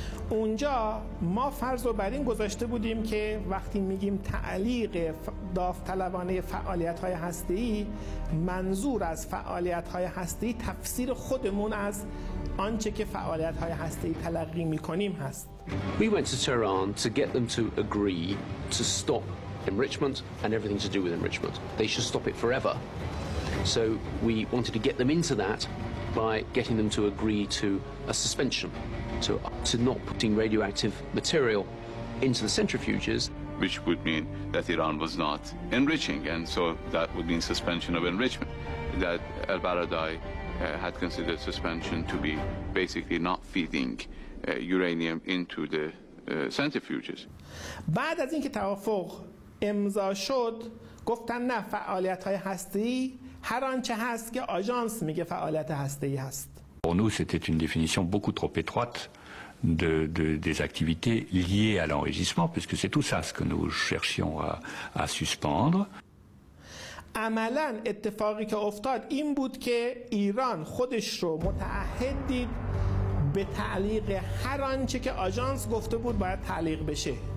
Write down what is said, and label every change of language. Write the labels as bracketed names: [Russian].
[Persian] اونجا ما فرض رو بر این گذاشته بودیم که وقتی میگیم تعلیق داوطلبانه فعالیت‌های هسته‌ای، منظور از فعالیت‌های هسته‌ای تفسیر خودمون از آنچه که فعالیت‌های هسته‌ای تلقی می‌کنیم هست. [English] We went to Tehran to get them to agree to stop enrichment and everything to do with enrichment. They should stop it forever. So we wanted to get them into that by getting them to agree to a suspension, to not putting radioactive material into the centrifuges. Which would mean that Iran was not enriching, and so that would mean suspension of enrichment, that al-Baradei had considered suspension to be basically not feeding uranium into the centrifuges. [Persian] بعد از اینکه توافق امضا شد، گفتن نه، فعالیت‌های هسته‌ای هر آنچه هست که آژانس میگه فعالیت هسته‌ای هست. [French] Pour nous, c'était une définition beaucoup trop étroite des activités liées à l'enrichissement, puisque c'est tout ça ce que nous cherchions à suspendre. [Persian] عملاً اتفاقی که افتاد این بود که ایران خودش رو متعهد دید به تعلیق هر آنچه که آژانس گفته بود باید تعلیق بشه.